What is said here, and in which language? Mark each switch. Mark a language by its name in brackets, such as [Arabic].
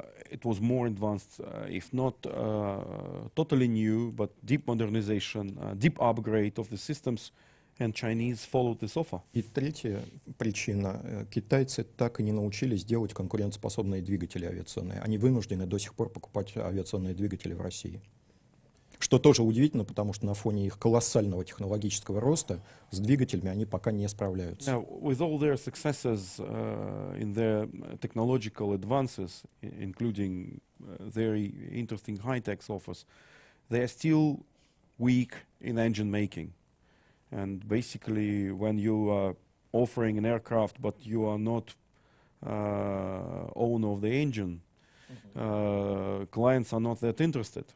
[English] It was more advanced, if not totally new, but deep modernization, deep upgrade of the systems, and Chinese followed this offer. [Russian] И третья причина. Китайцы так и не научились делать конкурентоспособные двигатели авиационные. Они вынуждены до сих пор покупать авиационные двигатели в России. Что тоже удивительно, потому что на фоне их колоссального технологического роста с двигателями они пока не справляются. [English] Now, with all their successes in their technological advances, including their interesting high-tech offers, they are still weak in engine making. And basically, when you are offering an aircraft, but you are not owner of the engine, clients are not that interested.